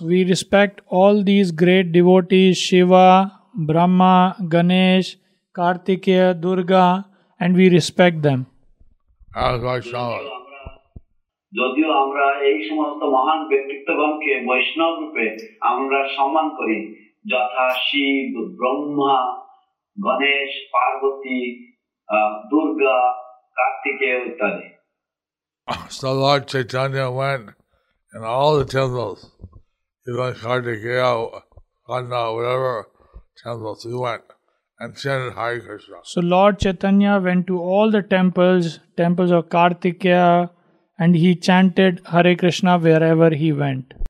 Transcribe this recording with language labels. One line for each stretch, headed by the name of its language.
English: We respect all these great devotees, Shiva, Brahma, Ganesh, Kartikeya, Durga, and we respect them. As Vaishnavas.
Bangla: যদিও আমরা এই সমস্ত মহান ব্যক্তিত্বগণকে বৈষ্ণব রূপে আমরা সম্মান করি যথা শিব ব্রহ্মা গণেশ পার্বতী দুর্গা কার্তিকেয় ইত্যাদি
English: So Lord Chaitanya went in all the temples, even Kartikeya, Kanna, whatever temples he went, and chanted Hare Krishna. So Lord Chaitanya went to all the temples, temples of Kartikeya, and he chanted Hare Krishna wherever he went.